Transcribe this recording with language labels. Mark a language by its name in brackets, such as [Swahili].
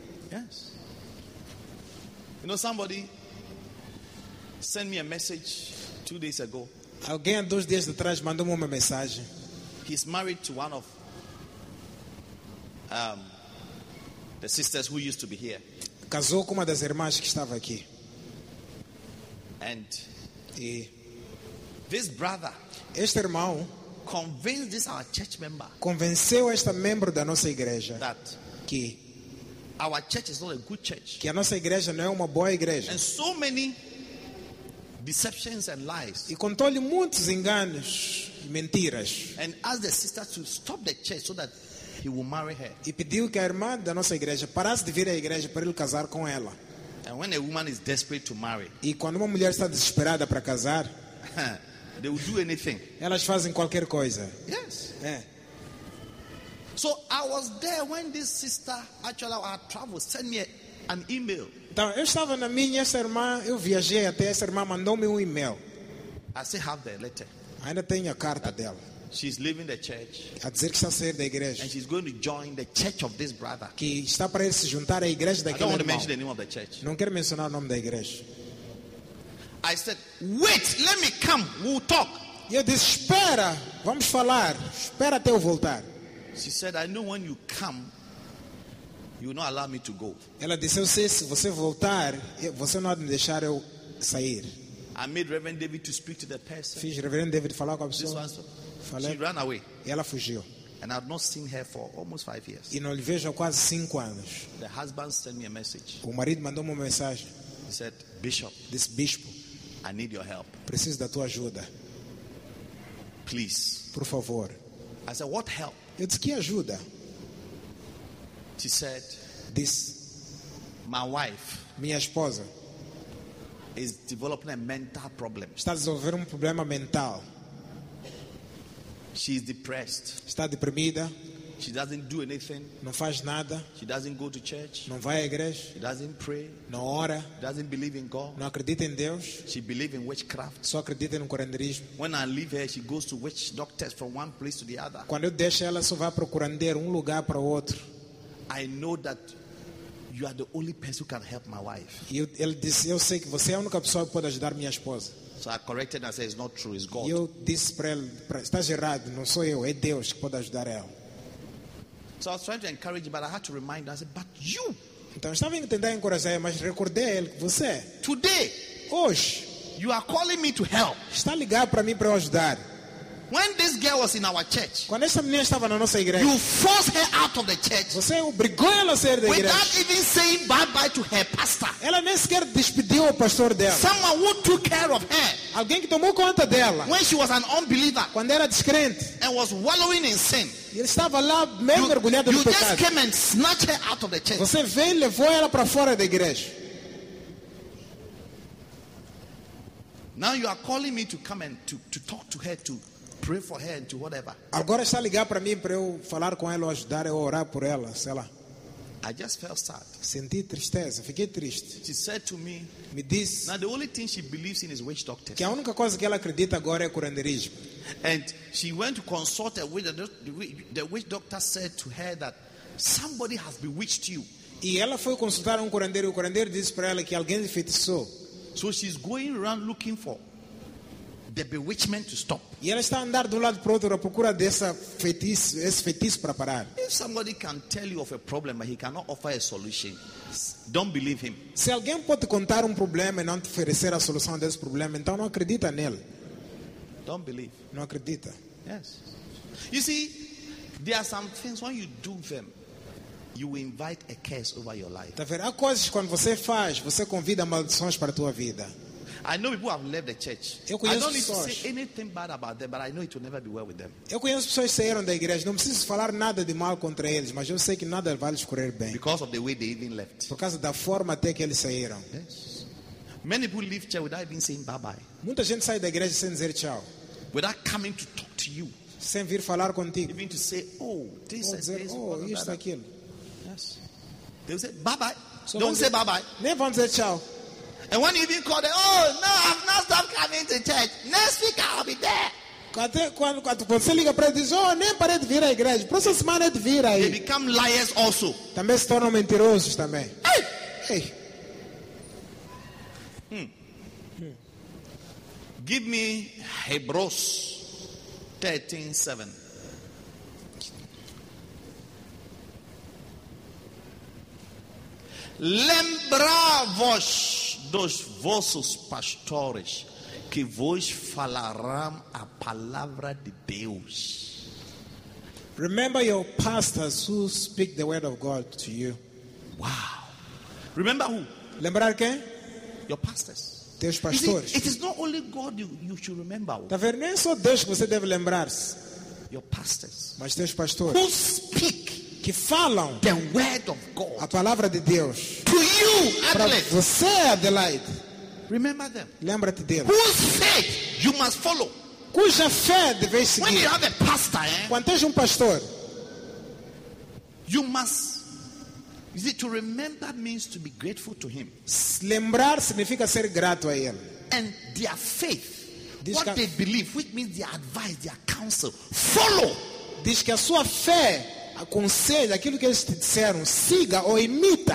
[English] Yes. You know, somebody sent me a message 2 days ago. [Portuguese] Alguém 2 dias atrás mandou-me uma mensagem. [English] He's married to one of the sisters who used to be here. [Portuguese] Casou com uma das irmãs que estava aqui. [English] And [Portuguese] e [English] this brother, [Portuguese] este irmão, [English] convinced this our church member. [Portuguese] Convenceu este membro da nossa igreja [English] that [Portuguese] que [English] our church is not a good church. [Portuguese] Que a nossa igreja não é uma boa igreja. [English] And so many deceptions and lies. [Portuguese] E contou-lhe muitos enganos e mentiras. [English] And asked the sister to stop the church so that he will marry her. [Portuguese] E pediu que a irmã da nossa igreja parasse de vir à igreja para ele casar com ela. [English] And when a woman is desperate to marry, [Portuguese] e quando uma mulher está desesperada para casar, [English] they will do anything. [Portuguese] Elas fazem qualquer coisa. [English] Yes. [Portuguese] É. [English] So I was there when this sister, actually our travel, sent me an email. [Portuguese] Então eu estava na minha, essa irmã, eu viajei até essa irmã, mandou-me e-mail. [English] I still have the letter. [Portuguese] Ainda tenho a carta dela. [English] She's leaving the church. [Portuguese] A dizer que está a sair da igreja. [English] And she's going to join the church of this brother. [Portuguese] Que está para ele se juntar à igreja daquele irmão. [English] I don't want to mention the name of the church. [Portuguese] Não quero mencionar o nome da igreja. [English] I said, wait, let me come, we'll talk. [Portuguese] E eu disse, espera, vamos falar, espera até eu voltar. [English] She said, I know when you come, you will not allow me to go. [Portuguese] Ela disse, eu sei, se você voltar, você não vai me deixar eu sair. [English] I made Reverend David to speak to the person. [Portuguese] Fiz Reverend David falar com a pessoa. [English] This one, [Portuguese] falei. [English] She ran away. [Portuguese] E ela fugiu. [English] And I've not seen her for almost 5 years. [Portuguese] E não lhe vejo há quase 5 anos. [English] The husband sent me a message. [Portuguese] O marido mandou-me uma mensagem. [English] He said, Bishop. [Portuguese] This bispo. [English] I need your help. [Portuguese] Preciso da tua ajuda. [English] Please. [Portuguese] Por favor. [English] I said, what help? [Portuguese] Eu disse, que ajuda? [English] She said, [Portuguese] this. [English] My wife. [Portuguese] Minha esposa. [English] Is developing a mental problem. [Portuguese] Está a desenvolver problema mental. [English] She is depressed. [Portuguese] Está deprimida. [English] She doesn't do anything. [Portuguese] Não faz nada. [English] She doesn't go to church. [Portuguese] Não vai à igreja. [English] She doesn't pray. [Portuguese] Não ora. [English] Doesn't believe in God. [Portuguese] Não acredita em Deus. [English] She believes in witchcraft. [Portuguese] Só acredita no curandeirismo. [English] When I leave her, she goes to witch doctors from one place to the other. [Portuguese] Quando eu deixo ela, só vai procurando um lugar para o outro. [English] I know that you are the only person who can help my wife. [Portuguese] Ele disse, eu sei que você é a única pessoa que pode ajudar minha esposa. [English] So I corrected and I said, it's not true, it's God. [Portuguese] E eu disse para ele, está errado, não sou eu, é Deus que pode ajudar ela. [English] So I was trying to encourage him, but I had to remind him. I said, but you. [Portuguese] Então eu estava tentando encorajar, mas recordei a ele que você. [English] Today. [Portuguese] Hoje. [English] You are calling me to help. [Portuguese] Está ligado para mim para eu ajudar. [English] When this girl was in our church. [Portuguese] Quando essa menina estava na nossa igreja. [English] You forced her out of the church. [Portuguese] Você obrigou ela a sair da igreja. [English] Without even saying bye-bye to her pastor. [Portuguese] Ela nem sequer despediu o pastor dela. [English] Someone who took care of her. [Portuguese] Alguém que tomou conta dela. [English] When she was an unbeliever. [Portuguese] Quando era descrente. [English] And was wallowing in sin. [Portuguese] Ele estava lá meio mergulhado no pecado. [English] You just came and snatched her out of the church. [Portuguese] Você veio e levou ela para fora da igreja. [English] Now you are calling me to come and to talk to her to pray for her and to whatever. [Portuguese] Agora está ligar para mim para eu falar com ela ou ajudar ou orar por ela, sei lá. [English] I just felt sad. [Portuguese] Senti tristeza, fiquei triste. [English] She said to me, [Portuguese] me disse, [English] now the only thing she believes in is witch doctors. [Portuguese] Que a única coisa que ela acredita agora é curandeirismo. [English] And she went to consult a witch. The witch doctor said to her that somebody has bewitched you. [Portuguese] E ela foi consultar curandeiro. O curandeiro disse para ela que alguém lhe feitiçou. [English] So she's going around looking for the bewitchment to stop. [Portuguese] E ela está andando de um lado para o outro à procura dessa feitiço, esse feitiço para parar. [English] If somebody can tell you of a problem but he cannot offer a solution, don't believe him. [Portuguese] Se alguém pode contar problema e não te oferecer a solução desse problema, então não acredita nele. [English] Don't believe. [Portuguese] Não acredita. [English] Yes. You see, there are some things when you do them, you invite a curse over your life. [Portuguese] Tá vendo? Há coisas quando você faz, você convida maldições para a tua vida. [English] I know people have left the church. [Portuguese] Eu conheço [English] I don't [Portuguese] pessoas. [English] Need to say anything bad about them, but I know it will never be well with them. [Portuguese] Eu conheço pessoas que saíram da igreja. Não preciso falar nada de mal contra eles, mas eu sei que nada vai lhes correr bem. [English] Because of the way they even left. [Portuguese] Por causa da forma até que eles saíram. [English] Yes. Many people leave church without even saying bye bye. [Portuguese] Muita gente sai da igreja sem dizer tchau. [English] Without coming to talk to you. [Portuguese] Sem vir falar contigo. [English] Even to say, oh, this [Portuguese] ou dizer, [English] this, [Portuguese] oh, isso aquilo. [English] Yes. They will say bye bye. So don't say bye bye. [Portuguese] Nem vão dizer tchau. [English] And when you even call them, oh, no, I've not stopped coming to church. Next week I'll be there. [Portuguese] Quando você liga para ele, diz, oh, nem parei de vir à igreja. Próxima semana é de vir aí. [English] They become liars also. [Portuguese] Também se tornam mentirosos também. Ei! Ei! [English] Give me Hebrews 13:7. [Portuguese] Lembra-vos dos vossos pastores que vos falarão a palavra de Deus. [English] Remember your pastors who speak the word of God to you. Wow. Remember who? [Portuguese] Lembrar quem? [English] Your pastors. [Portuguese] Teus pastores. [English] It is not only God you should remember. [Portuguese] Tá vendo? Não é só Deus que você deve lembrar-se. [English] Your pastors. [Portuguese] Mas teus pastores. [English] Who speak [Portuguese] que falam [English] the word of God. [Portuguese] A palavra de Deus. [English] To you, Adelaide. [Portuguese] Para você, Adelaide. [English] Remember them. [Portuguese] Lembra-te deles. [English] Who said you must follow? [Portuguese] Cuja fé deves seguir? [English] When you have a pastor, eh? [Portuguese] Quando tens pastor. [English] You must. Is it to remember means to be grateful to him. [Portuguese] Lembrar significa ser grato a ele. [English] And their faith. [Portuguese] Diz [English] what they believe, which means their advice, their counsel. Follow. [Portuguese] Diz que a sua fé aconselha aquilo que eles te disseram, siga ou imita.